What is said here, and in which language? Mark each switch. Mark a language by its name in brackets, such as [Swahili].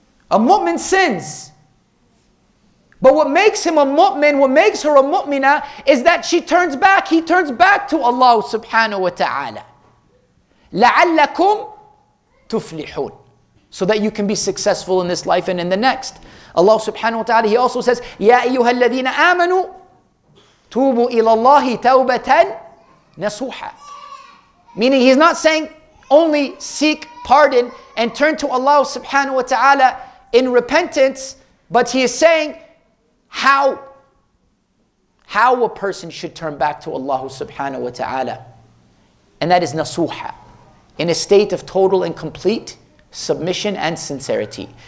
[English] A mu'min sins. But what makes him a mu'min, what makes her a mu'mina, is that she turns back, he turns back to Allah subhanahu wa ta'ala. [Arabic] لَعَلَّكُمْ تُفْلِحُونَ. [English] So that you can be successful in this life and in the next. Allah subhanahu wa ta'ala, He also says, [Arabic] يَا أَيُّهَا الَّذِينَ آمَنُوا تُوبُوا إِلَى اللَّهِ تَوْبَةً نَصُوحًا. [English] Meaning He's not saying only seek pardon and turn to Allah subhanahu wa ta'ala in repentance, but He is saying, How a person should turn back to Allah subhanahu wa ta'ala. And that is nasuha, in a state of total and complete submission and sincerity.